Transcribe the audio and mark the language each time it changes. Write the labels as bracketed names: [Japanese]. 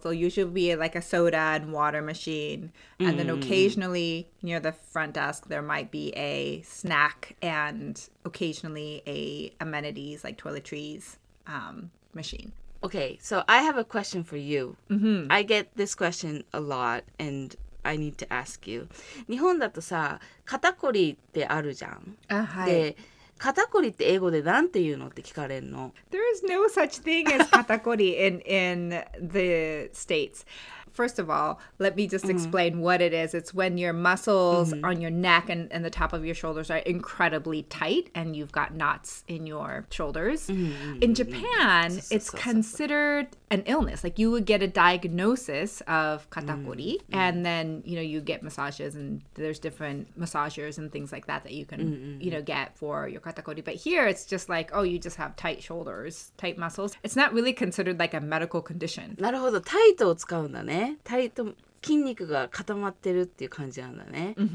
[English] They'll usually be like a soda and water machine. And then occasionally near the front desk, there might be a snack and occasionally a amenities like toiletries. Machine. Okay, so I have a question for you. Mm-hmm. I get this question a lot and I need to ask you. [Japanese] 日本だとさ、肩こりってあるじゃん。はい。で、肩こりって英語でなんて言うのって聞かれるの。 [English] There is no such thing as 肩こり in the States. First of all, let me just explain what it is. It's when your muscles on your neck and the top of your shoulders are incredibly tight and you've got knots in your shoulders. In Japan, it's considered an illness. Like you would get a diagnosis of katakuri and then, you know, you get massages and there's different massagers and things like that that you can, you know, get for your katakuri. But here it's just like, oh, you just have tight shoulders, tight muscles. It's not really considered like a medical condition. [Japanese] なるほど、タイトを使うんだね。タイト、筋肉が固まってるっていう感じなんだね。